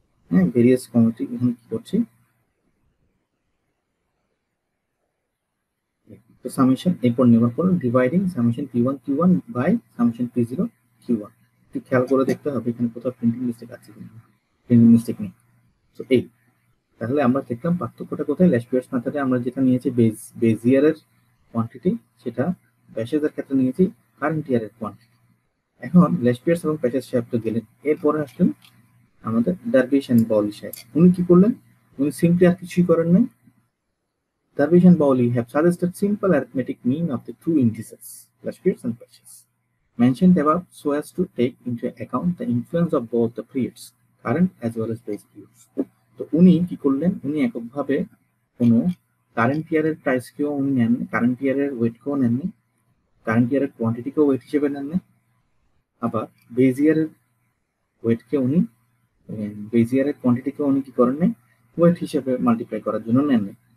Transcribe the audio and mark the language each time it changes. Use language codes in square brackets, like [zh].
[bn] হ্যাঁ, various commodity এখানে কি করছি, তো সামেশন এরপর নেওয়ার পর dividing summation P1 Q1 by summation P0 Q1, একটু খেয়াল করে দেখতে হবে এখানে কোথাও প্রিন্টিং মিস্টেক আছে কিনা, প্রিন্টিং মিস্টেক নেই। সো এই তাহলে আমরা দেখলাম পার্থক্যটা কোথায়, Lushpreet's method এ আমরা যেটা নিয়েছি বেজ ইয়ারের কোয়ান্টিটি, সেটা ব্যাশেজের ক্ষেত্রে নিয়েছি কারেন্ট ইয়ারের কোয়ান্টিটি। এখন Lushpreet's এবং প্যাশেজ সাহেব তো গেলেন, এরপরে আসলেন আমাদের Darvish and Bawley সাহেব, উনি কি করলেন, উনি সিম্পলি আর কিছুই করেন নাই, [en] Darvish and Bawley have suggested simple arithmetic mean of the two indices, Lushpreet's and Patches, mentioned above so as to take into account the influence of both the periods, current as well as base periods. [bn] তো উনি কি করলেন, উনি এককভাবে কোন current ইয়ারের প্রাইসকেও উনি নেননি, কারেন্ট ইয়ারের ওয়েটকেও নেননি, কারেন্ট ইয়ারের কোয়ান্টিটিকেও ওয়েট হিসেবে নেননি, আবার বেজ ইয়ারের ওয়েটকে উনি বেজ ইয়ারের কোয়ান্টিটিকেও উনি কি করেন নাই, ওয়েট হিসেবে মাল্টিপ্লাই করার জন্য নেননি।